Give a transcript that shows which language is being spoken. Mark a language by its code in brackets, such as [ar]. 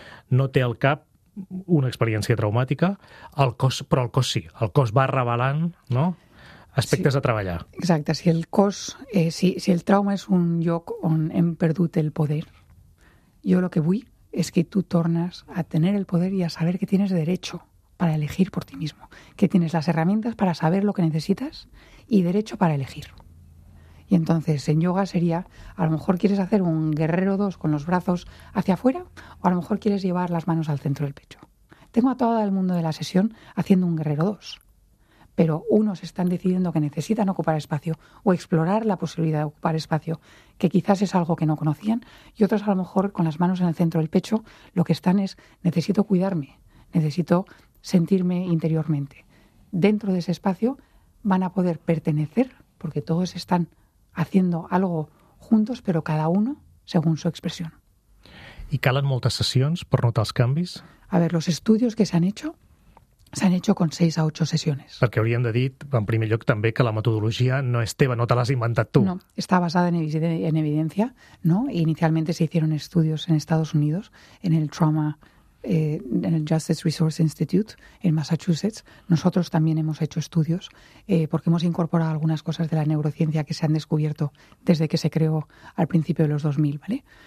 [ca] no té al cap una experiència traumàtica, el cos, però el cos sí, el cos va revelant, no?, aspectes sí, a treballar. Exacte, si el cos, si el trauma és un lloc on hem perdut el poder, jo el que vull és que tu tornes a tenir el poder i a saber que tens [es] derecho para elegir por ti mismo, que tienes las herramientas para saber lo que necesitas y derecho para elegir. Y entonces en yoga sería, a lo mejor quieres hacer un guerrero 2 con los brazos hacia afuera o a lo mejor quieres llevar las manos al centro del pecho. Tengo a todo el mundo de la sesión haciendo un guerrero 2, pero unos están decidiendo que necesitan ocupar espacio o explorar la posibilidad de ocupar espacio, que quizás es algo que no conocían, y otros a lo mejor con las manos en el centro del pecho lo que están es, necesito cuidarme, necesito sentirme interiormente. Dentro de ese espacio van a poder pertenecer, porque todos están haciendo algo juntos, pero cada uno según su expresión. [ca] ¿Y calen moltes sessions per notar els canvis? [es] A ver, los estudios que se han hecho con 6 a 8 sessions. [ca] Perquè hauríem de dir, en primer lloc, també que la metodologia no és teva, no te l'has inventat tu. [es] No, está basada en evidencia, ¿no? Inicialmente se hicieron estudios en Estados Unidos, en el trauma, en el Justice Resource Institute en Massachusetts. Nosotros también hemos hecho estudios porque hemos incorporado algunas cosas de la neurociencia que se han descubierto desde que se creó al principio de los 2000, ¿vale?